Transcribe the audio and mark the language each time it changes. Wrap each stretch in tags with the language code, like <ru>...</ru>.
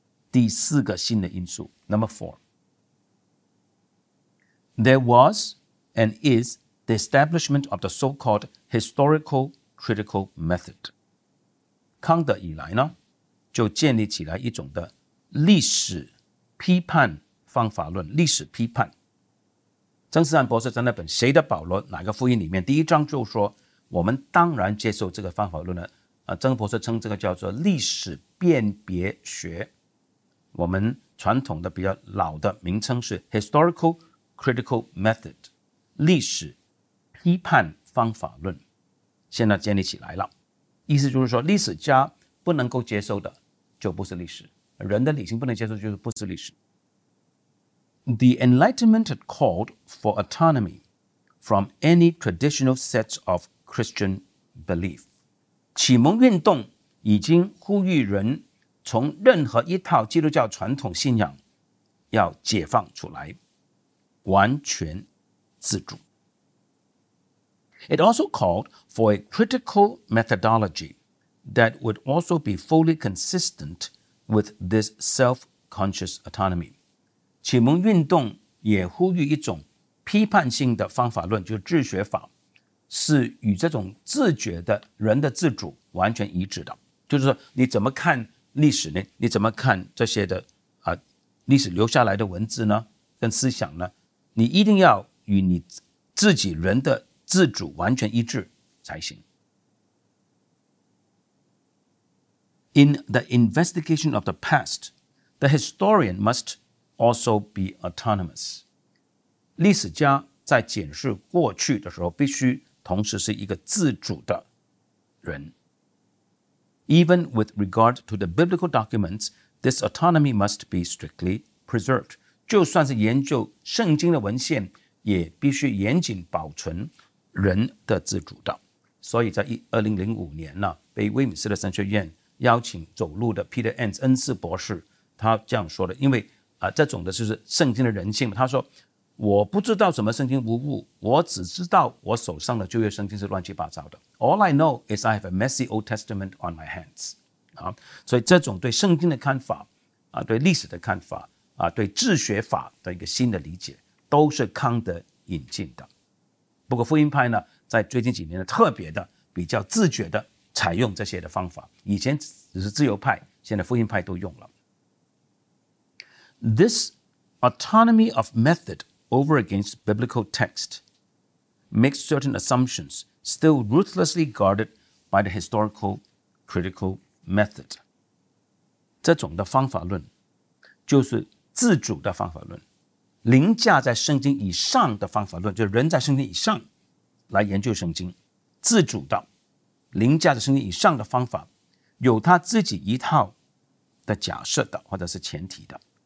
<zh>第四个新的因素</zh> <en>，Number four，there was and is the establishment of the so-called historical critical method。</en> <zh>康德以来呢，就建立起来一种的历史批判方法论，历史批判。曾思安博士在那本《谁的保罗？哪个福音》里面，第一章就说，我们当然接受这个方法论了。曾博士称这个叫做历史辨别学，我们传统的比较老的名称是</zh> <en>Historical Critical Method，</en> <zh>历史批判方法论，现在建立起来了。意思就是说，历史家不能够接受的就不是历史，人的理性不能接受就是不是历史。</zh> <en>The Enlightenment had called for autonomy from any traditional sets of Christian belief.</en> <zh>启蒙运动已经呼吁人从任何一套基督教传统信仰要解放出来，完全自主。</zh> <en>It also called for a critical methodology that would also be fully consistent with this self-conscious autonomy.</en> <zh>启蒙运动也呼吁一种批判性的方法论，就是治学法，是与这种自觉的人的自主完全一致的。就是说，你怎么看历史呢？你怎么看这些的历史留下来的文字呢？跟思想呢？你一定要与你自己人的自主完全一致才行。</zh> <en>In the investigation of the past, the historian must also be autonomous.</en> <zh>历史家在检视过去的时候，必须同时是一个自主的人。</zh> <en>Even with regard to the biblical documents, this autonomy must be strictly preserved.</en> <zh>就算是研究圣经的文献，也必须严谨保存人的自主的。所以在2005年呢，被威敏斯特神学院邀请走路的 Peter Enns 恩斯博士，他这样说的，因为这种的就是圣经的人性，他说，我不知道什么圣经无误，我只知道我手上的旧约圣经是乱七八糟的。</zh> <en>All I know is I have a messy Old Testament on my hands。</en> <zh>所以这种对圣经的看法对历史的看法对治学法的一个新的理解，都是康德引进的。不过福音派呢，在最近几年的特别的比较自觉的采用这些的方法，以前只是自由派，现在福音派都用了。</zh> <en>This autonomy of method over against biblical text makes certain assumptions still ruthlessly guarded by the historical critical method.</en> <zh>这种的方法论就是自主的方法论，凌驾在圣经以上的方法论，就是人在圣经以上来研究圣经，自主的凌驾在圣经以上的方法有他自己一套的假设的或者是前提的。</zh>